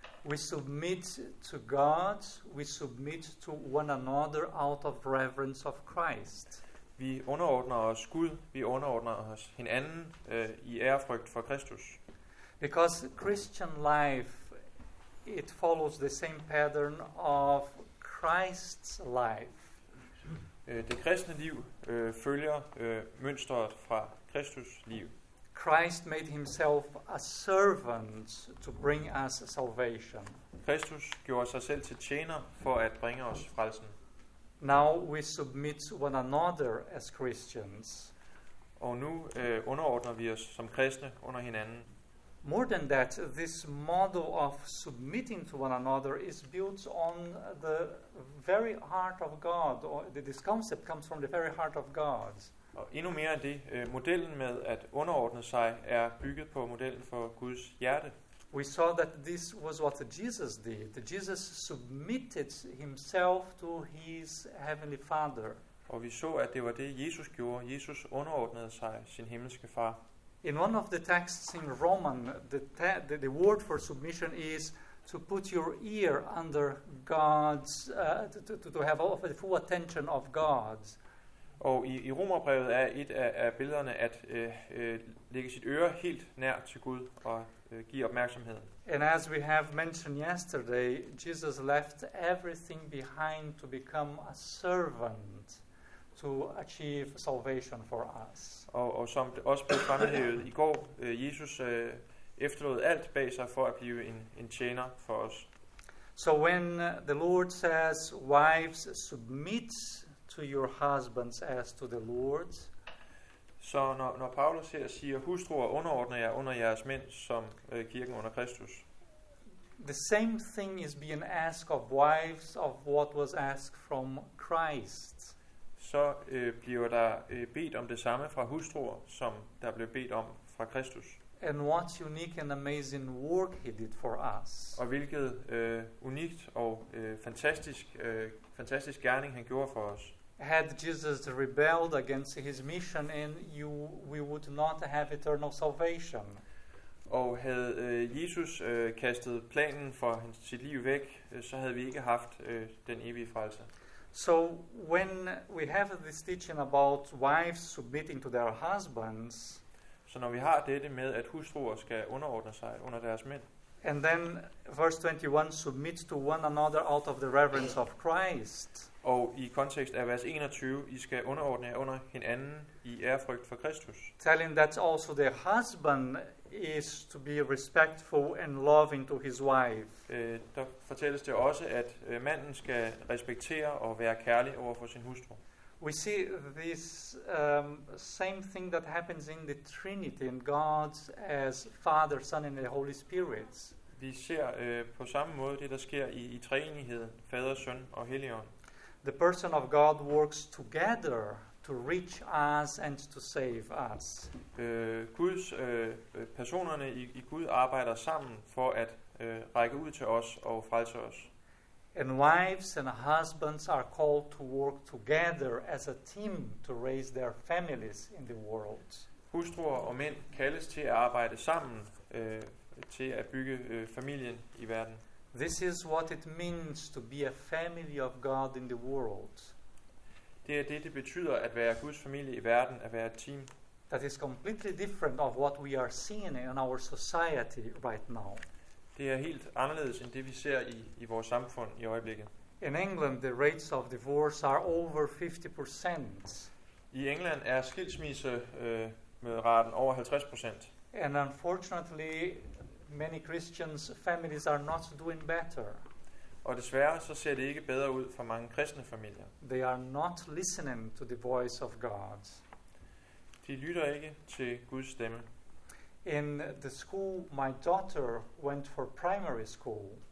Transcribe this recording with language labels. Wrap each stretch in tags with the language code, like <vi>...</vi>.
<en>We submit to God, we submit to one another out of reverence of Christ.</en> <da>Vi underordner os Gud, vi underordner os hinanden i ærefrygt for Kristus.</da> <en>Because Christian life, it follows the same pattern of Christ's life.</en> <da>Det kristne liv følger mønstret fra Kristus liv.</da> <en>Christ made himself a servant to bring us salvation.</en> <da>Kristus gjorde sig selv til tjener for at bringe os frelsen.</da> <en>Now we submit one another as Christians.</en> <da>Og nu underordner vi os som kristne under hinanden.</da> <en>More than that, this model of submitting to one another is built on the very heart of God. Or this concept comes from the very heart of God.</en> <da>Og endnu mere end det, modellen med at underordne sig er bygget på modellen for Guds hjerte.</da> <en>We saw that this was what Jesus did. Jesus submitted himself to his heavenly Father.</en> <da>Og vi så, at det var det, Jesus gjorde. Jesus underordnede sig sin himmelske far.</da> <en>In one of the texts in Roman, the word for submission is to put your ear under God's, to have all of the full attention of God.</en> <da>Og i Romerbrevet er et af billederne at lægge sit øre helt nær til Gud og give opmærksomhed.</da> <en>And as we have mentioned yesterday, Jesus left everything behind to become a servant to achieve salvation for us.</en> <da>Og som det også blev fremhævet i går, Jesus efterlod alt bag sig for at blive en tjener for os.</da> <en>So when the Lord says, wives, submit to your husbands as to the Lord.</en> <da>Så når Paulus her siger, hustruer, underordner jer under jeres mænd som kirken under Kristus.</da> <en>The same thing is being asked of wives of what was asked from Christ.</en> <da>Så bliver der bedt om det samme fra hustruer, som der blev bedt om fra Kristus.</da> <en>And what unique and amazing work he did for us.</en> <da>Og hvilket unikt og fantastisk gerning han gjorde for os.</da> <en>Had Jesus rebelled against his mission, and we would not have eternal salvation.</en> <da>Og havde Jesus kastet planen for sit liv væk, så havde vi ikke haft den evige frelse.</da> <en>So when we have this teaching about wives submitting to their husbands,</en> <da>så når vi har dette med at hustruer skal underordne sig under deres mænd.</da> <en>And then verse 21 submits to one another out of the reverence of Christ.</en> <da>Og i kontekst af vers 21, I skal underordne jer under hinanden i ærefrygt for Kristus.</da> <en>Telling that also the husband is to be respectful and loving to his wife.</en> <da>Der fortælles det også, at manden skal respektere og være kærlig overfor sin hustru.</da> <en>We see this same thing that happens in the Trinity in God as Father, Son and the Holy Spirit.</en> <da>Vi ser på samme måde det der sker i treenigheden, Fader, Søn og Helligånd.</da> <en>The person of God works together to reach us and to save us.</en> <da>Guds personerne i Gud arbejder sammen for at række ud til os og frelse os.</da> <en>And wives and husbands are called to work together as a team to raise their families in the world.</en> <da>Hustruer og mænd kaldes til at arbejde sammen til at bygge familien i verden.</da> <en>This is what it means to be a family of God in the world.</en> <da>Det er det betyder at være Guds familie i verden, at være et team.</da> <en>That is completely different of what we are seeing in our society right now.</en> <da>Det er helt anderledes end det vi ser i vores samfund i øjeblikket.</da> <en>In England the rates of divorce are over 50%.</en> <da>I England er skilsmisse med raten over 50%.</da> <en>And unfortunately many Christians families are not doing better.</en> <da>Og desværre så ser det ikke bedre ud for mange kristne familier.</da> <en>They are not listening to the voice of God.</en> <da>De lytter ikke til Guds stemme.</da> <en>In the school my daughter went for primary school.</en>